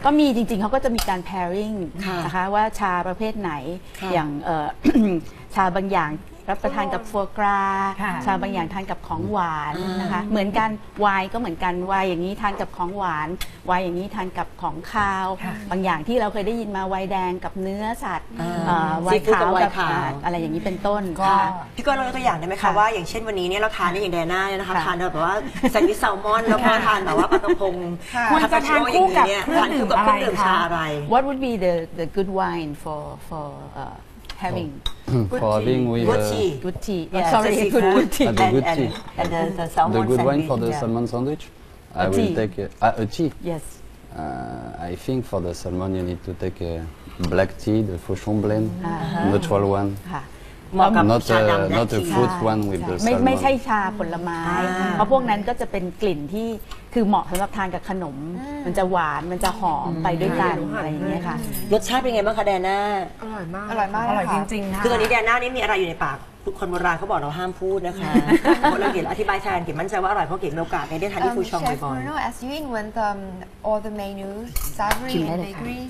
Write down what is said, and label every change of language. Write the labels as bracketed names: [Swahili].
[Thai] ก็มีจริงๆเขาก็จะมีการแพริงนะคะว่าชาประเภทไหนอย่างชาบางอย่างรับประทานกับฟัวกราชาบางอย่างทานกับของหวานนะคะเหมือนกันไวน์ก็เหมือนกันไวน์อย่างนี้ทานกับของหวานไวน์อย่างนี้ทานกับของคาวบางอย่างที่เราเคยได้ยินมาไวน์แดงกับเนื้อสัตว์ไวน์ขาวกับ อะไรอย่างนี้เป็นต้น ก็พี่ก้อยเรายกตัวอย่างได้ไหมคะว่าอย่างเช่นวันนี้เนี่ยเราทานได้อย่างแดน่าเนี่ยนะคะทานแบบว่าแซนด์วิชแซลมอนแล้วก็ทานแบบว่าปลากระพง คุณจะทานคู่กับเครื่องดื่มอะไรคะ [English] What would be the good wine for having For having with good tea, yeah, sorry, good tea, the good tea, and the salmon sandwich. The good sandwich, wine for the salmon sandwich, I will take a tea. Yes. I think for the salmon, you need to take a black tea, the Fauchon blend, neutral one. Not a fruit one with the salmon. [Thai] ไม่ใช่ชาผลไม้เพราะพวกนั้นก็จะเป็นกลิ่นที่คือเหมาะสำหรับทานกับขนมมันจะหวานมันจะหอมไปด้วยกันอะไรอย่างเงี้ยค่ะ รสชาติเป็นไงบ้างคะแดน่า อร่อยมาก อร่อยมาก อร่อยจริงๆนะ คือตอนนี้แดน่านี่มีอะไรอยู่ในปากคนโบราณเขาบอกเราห้ามพูดนะคะคนเราเกลียดอธิบายแทนเกลียดมั่นใจว่าอร่อยเพราะเกลียดโอกาสในได้ทานที่ฟูชองบ่อยๆ [English] Chef Bruno, as you invent all the menus, savory and bakery,